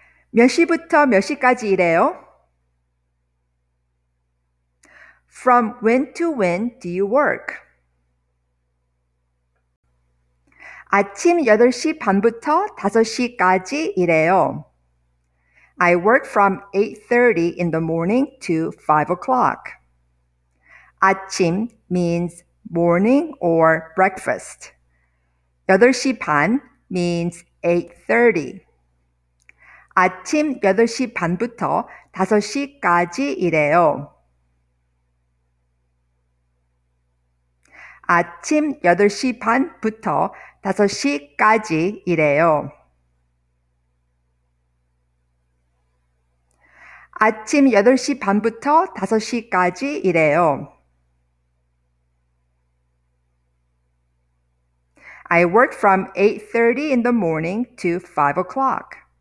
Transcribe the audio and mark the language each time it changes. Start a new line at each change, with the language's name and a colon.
Korean: 몇 시부터 몇 시까지 일해요?
English: From when to when do you work?
Korean: 아침 8시 반부터 5시까지 일해요.
English: I work from 8:30 in the morning to 5 o'clock. 아침 means morning or breakfast. 8시 반 means 8:30.
Korean: 아침 8시 반부터 5시까지 일해요. 아침 8시 반부터 5시까지 일해요. 아침 8시 반부터 5시까지 일해요.
English: I work from 8:30 in the morning to 5 o'clock.